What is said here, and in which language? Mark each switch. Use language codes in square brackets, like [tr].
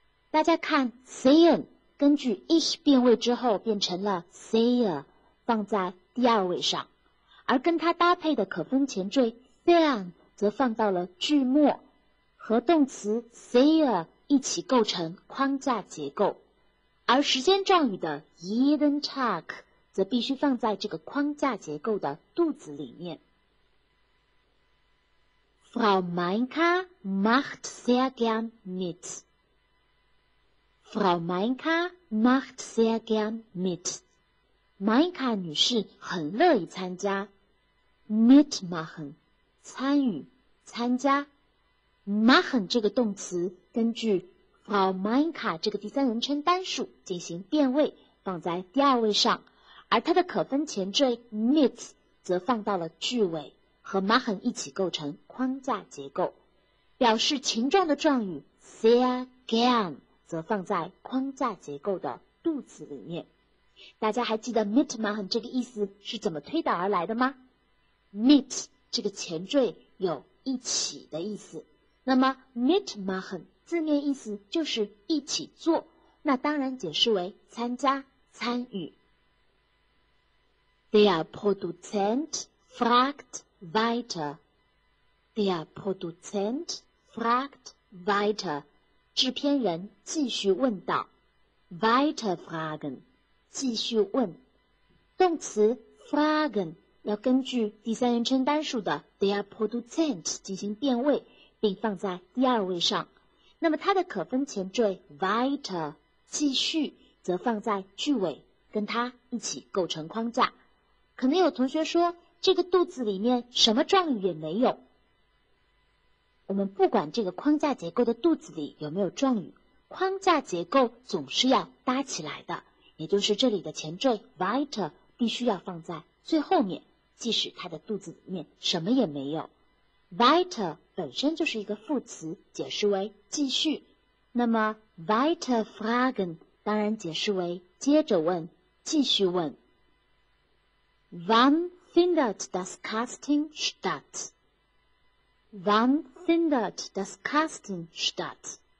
[zh] 大家看 sehen 根据 ich 变位之后变成了 sehe， 放在第二位上，而跟它搭配的可分前缀 Fern 则放到了句末，和动词 sehe 一起构成框架结构。而时间状语的 jeden Tag 则必须放在这个框架结构的肚子里面。 [de] Frau Meinka macht sehr gern mit. Frau Meinka macht sehr gern mit. [zh] 玛伊卡女士很乐意参加 [de] mitmachen， [zh] 参与、参加。 machen 这个动词根据 Frau Meinka 这个第三人称单数进行变位，放在第二位上，而它的可分前缀 mit 则放到了句尾，和 machen 一起构成框架结构。表示情状的状语 sehr gern 则放在框架结构的肚子里面。大家还记得 mitmachen 这个意思是怎么推导而来的吗？ mit 这个前缀有一起的意思，那么 mitmachen 字面意思就是一起做，那当然解释为参加、参与。 [de] Der Produzent fragt weiter. Der Produzent fragt weiter. [zh] 制片人继续问道。 [de] weiter fragen [zh] 继续问，动词 fragen 要根据第三人称单数的 der Produzent 进行变位，并放在第二位上。那么它的可分前缀 weiter 继续则放在句尾，跟它一起构成框架。可能有同学说，这个肚子里面什么状语也没有。我们不管这个框架结构的肚子里有没有状语，框架结构总是要搭起来的。也就是这里的前缀 weiter 必须要放在最后面，即使它的肚子里面什么也没有。 weiter 本身就是一个副词，解释为继续，那么 weiter fragen 当然解释为接着问、继续问。 [de] Wann findet das Casting statt? Wann findet das Casting statt?